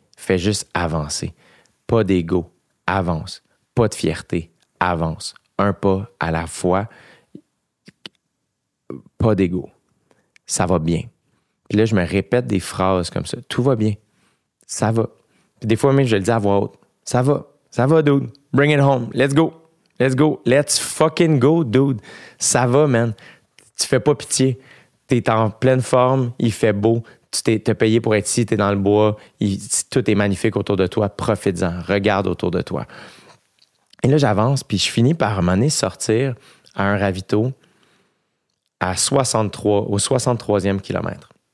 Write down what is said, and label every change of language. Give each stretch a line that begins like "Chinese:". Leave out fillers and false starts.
French: Fais juste avancer. Pas d'ego, avance. Pas de fierté, avance. Un pas à la fois, pas d'ego, ça va bien. Puis là, je me répète des phrases comme ça. Tout va bien, ça va. Puis des fois même, je le dis à voix haute. Ça va, dude.
English: Bring it home, let's go, let's go. Let's fucking go, dude.
French: Ça va, man. Tu fais pas pitié. T'es en pleine forme, il fait beau, tu t'es payé pour être ici, t'es dans le bois, tout est magnifique autour de toi, profite-en, regarde autour de toi. Et là, j'avance, puis je finis par m'amener sortir à un ravito à 63, au 63e kilomètre.